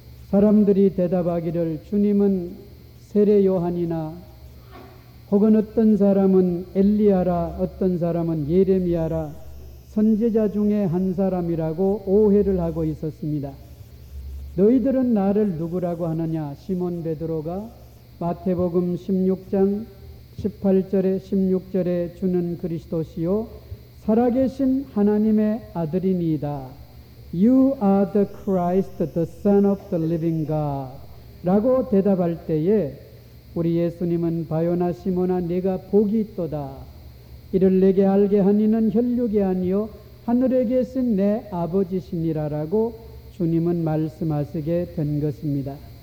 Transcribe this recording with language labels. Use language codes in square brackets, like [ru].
[ko] 사람들이 대답하기를 주님은 세례 요한이나 혹은 어떤 사람은 엘리야라, 어떤 사람은 예레미야라, 선지자 중에 한 사람이라고 오해를 하고 있었습니다. 너희들은 나를 누구라고 하느냐? 시몬 베드로가 마태복음 16장 18절에 16절에 주는 그리스도시요 살아계신 하나님의 아들이니이다. [en] You are the Christ, the Son of the living God. [ko] 라고 대답할 때에 우리 예수님은 바요나 시몬아, 네가 복이 있도다. 이를 내게 알게 하니는 혈육이 아니요 하늘에 계신 내 아버지시니라라고 주님은 말씀하시게 된 것입니다.